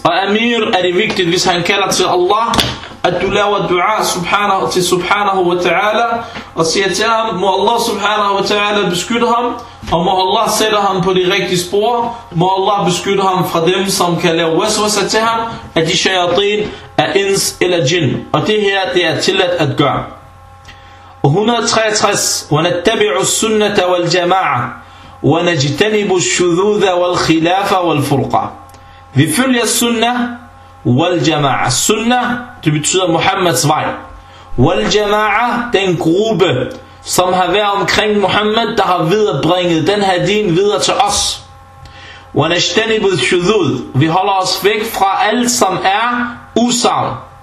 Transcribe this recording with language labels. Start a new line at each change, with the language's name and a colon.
Danish: Og Amir, er det vigtigt, hvis han kalder til Allah, at du laver dua subhanahu, til subhanahu wa ta'ala, og siger til ham, må Allah subhanahu wa ta'ala beskytte ham, og må Allah sætte ham på de rigtige spor, må Allah beskytte ham fra dem, som kan lave waswasa til ham, at de shayatin er ins eller jinn. Og det her, det er tilladt at gøre. 163.
Arabic: ونتبع السنة والجماعة ونجتنب الشذوذ والخلاف والفرقة.
Danish: Vi følger sunna والجماعه. Sunna, det betyder Muhammeds vej. والجماعه, den gruppe, som har været omkring Muhammed, der har viderebringet den her din videre til os.
Arabic: ونجتنب الشذوذ,
Danish: vi holder os væk fra alt som er usagn.